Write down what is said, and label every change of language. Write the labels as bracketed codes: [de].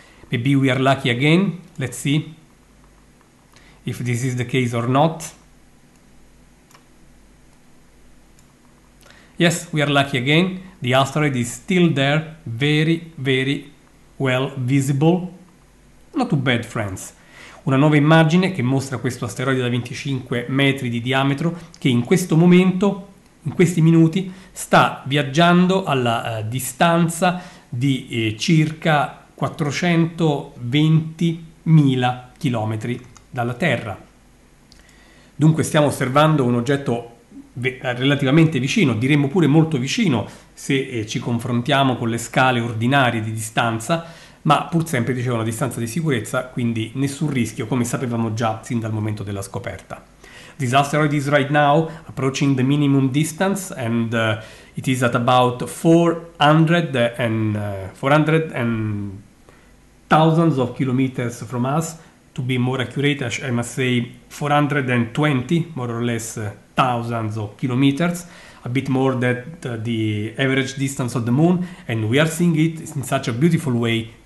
[en] Maybe we are lucky again. Let's see if this is the case or not. Yes, we are lucky again. The asteroid is still there, very, very well visible. Not too bad, friends. [it] Una nuova immagine che mostra questo asteroide da 25 metri di diametro che in questo momento, in questi minuti, sta viaggiando alla distanza di circa 420.000 chilometri dalla Terra. Dunque stiamo osservando un oggetto relativamente vicino, diremmo pure molto vicino se ci confrontiamo con le scale ordinarie di distanza, ma pur sempre dicevo una distanza di sicurezza, quindi nessun rischio, come sapevamo già sin dal momento della scoperta. [en] This asteroid is right now approaching the minimum distance and it is at about 400 and thousands of kilometers from us. To be more accurate, I must say 420 more or less thousands of kilometers, a bit more than the average distance of the moon, and we are seeing it in such a beautiful way